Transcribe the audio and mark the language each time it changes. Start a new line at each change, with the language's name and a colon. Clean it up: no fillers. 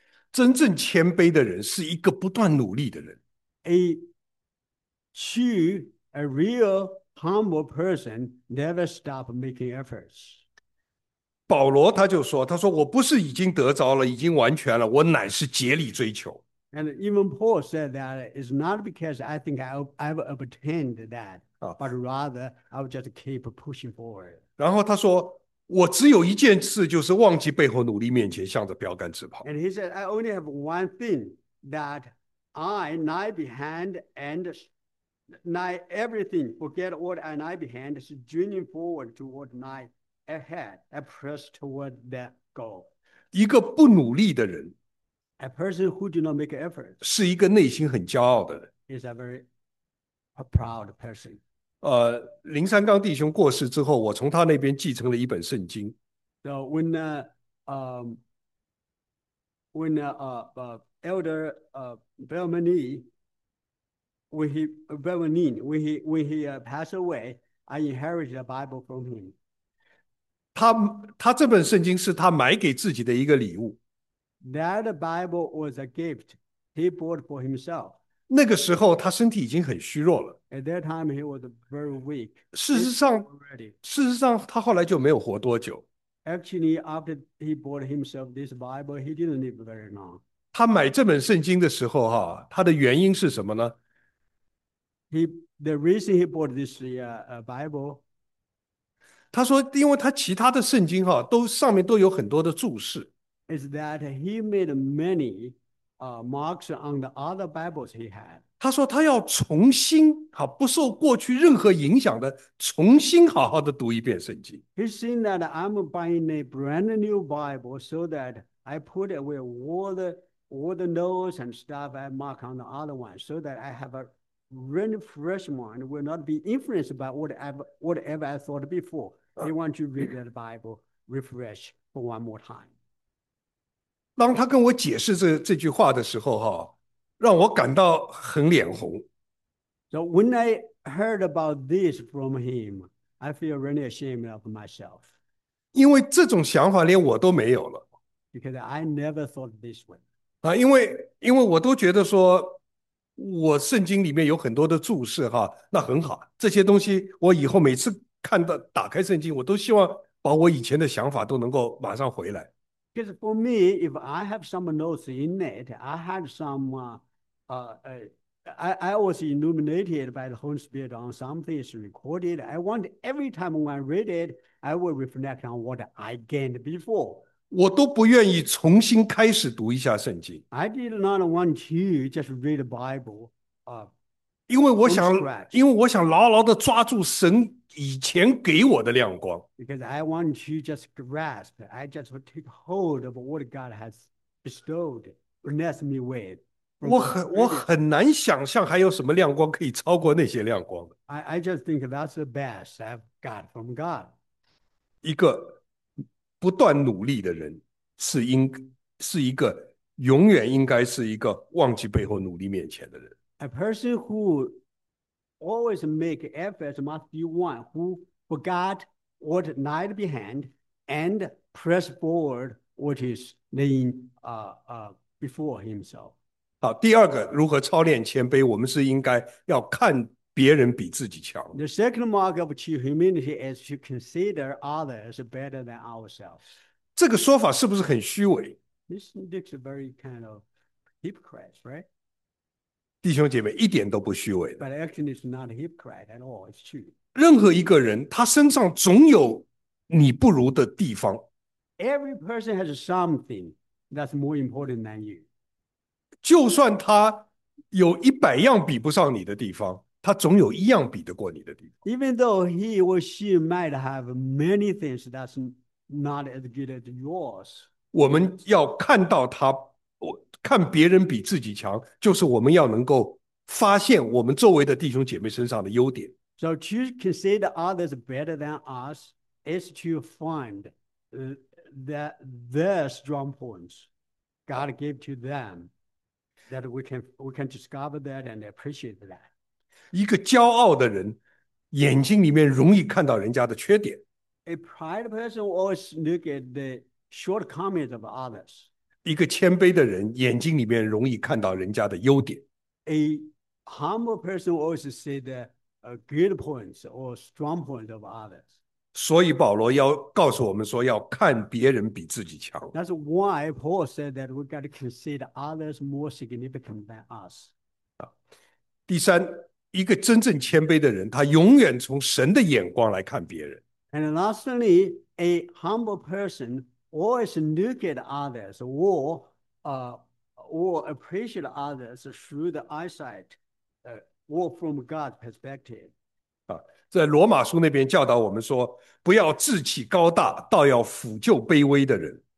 Chinese: 真正谦卑的人是一个不断努力的人。
English: A real humble person never stop making efforts.
Chinese: 保罗他就说：“他说我不是已经得着了，已经完全了，我乃是竭力追求。
English: And even Paul said that it's not because I think I've obtained that, ”啊， but rather I'll just keep pushing forward.
Chinese: 然后他说：“我只有一件事，就是忘记背后，努力面前，向着标杆直跑。
English: And he said, I only have one thing that I lie behind and lie everything, forget what I lie behind, is journeying forward toward my ahead, I press toward that goal.
Chinese: 一个不努力的人，
English: A person who do not make efforts
Chinese: 是一个内心很骄傲的
English: is a very a proud person.
Chinese: 人。林三刚弟兄过世之后，我从他那边继承了一本圣经。
English: So when Elder Belmanin, when he passed away, I inherited a Bible from him.
Chinese: 他这本圣经是他买给自己的一个礼物。
English: That Bible was a gift he bought for himself.
Chinese: 那个时候他身体已经很虚弱了。
English: At that time, he was very weak already.
Chinese: 事实上他后来就没有活多久。
English: Actually, after he bought himself this Bible, he didn't live very long.
Chinese: 他买这本圣经的时候，他的原因是什么呢？
English: The reason he bought this Bible.
Chinese: 他说：“因为他其他的圣经都上面都有很多的注释。
English: Is that he made many marks on the other Bibles he had？
Chinese: ”他说他要重新不受过去任何影响的，重新好好的读一遍圣经。
English: He's saying that I'm buying a brand new Bible so that I put away all the notes and stuff I mark on the other one so that I have a really fresh mind, will not be influenced by whatever I thought before. He wants to read that Bible refresh for one more time.
Chinese: 当他跟我解释这句话的时候，让我感到很脸红。
English: So when I heard about this from him, I feel really ashamed of myself.
Chinese: 因为这种想法连我都没有了。
English: Because I never thought this way.
Chinese: 因为我都觉得说，我圣经里面有很多的注释，那很好，这些东西我以后每次看到打开圣经，我都希望把我以前的想法都能够马上回来。
English: Because for me, if I have some notes in it, I had some I was illuminated by the Holy Spirit on something is recorded. I want every time when I read it, I will reflect on what I gained before.
Chinese: 我都不愿意重新开始读一下圣经，
English: I did not want to just read the Bible from
Chinese: 因
English: scratch.
Chinese: 为我想牢牢的抓住神以前给我的亮光。
English: Because I want to just grasp, I just take hold of what God has bestowed, blessed me with. From the
Chinese: 我很难想象还有什么亮光可以超过那些亮光的。
English: I just think that's the best I've got from God.
Chinese: 一个。不断努力的人是一个永远应该是一个忘记背后努力面前的人。
English: A person who always make efforts must be one who forgot what lied behind and press forward, which is laying before himself.
Chinese: 好，第二个如何操练谦卑？我们是应该要看别人比自己强。
English: The second mark of true humility is to consider others better than ourselves.
Chinese: 这个说法是不是很虚伪？
English: This looks a very kind of hypocrite, right?
Chinese: 弟兄姐妹，一点都不虚伪。
English: But actually, it's not a hypocrite at all. It's true.
Chinese: 任何一个人，他身上总有你不如的地方。
English: Every person has something that's more important than you.
Chinese: 就算他有一百样比不上你的地方，他总有一样比得过你的地方。
English: Even though he or she might have many things that's not as good as yours.
Chinese: 我们要看到他，看别人比自己强，就是我们要能够发现我们周围的弟兄姐妹身上的优点。
English: So to consider others better than us is to find that their strong points God gave to them, that we can discover that and appreciate that.
Chinese: 一个骄傲的人，眼睛里面容易看到人家的缺点。
English: A pride person always look at the shortcomings of others.
Chinese: 一个谦卑的人，眼睛里面容易看到人家的优点。
English: A humble person always see the good points or strong points of others.
Chinese: 所以保罗要告诉我们说，要看别人比自己强。
English: That's why Paul said that we got to consider others more significant than us.
Chinese: 第三，一个真正谦卑的人，他永远从神的眼光来看别人。
English: And lastly, a humble person always look at others or appreciate others through the eyesight or from God's perspective.
Chinese: 在罗马书那边教导我们说，不要自欺高大，倒要俯就卑微的人。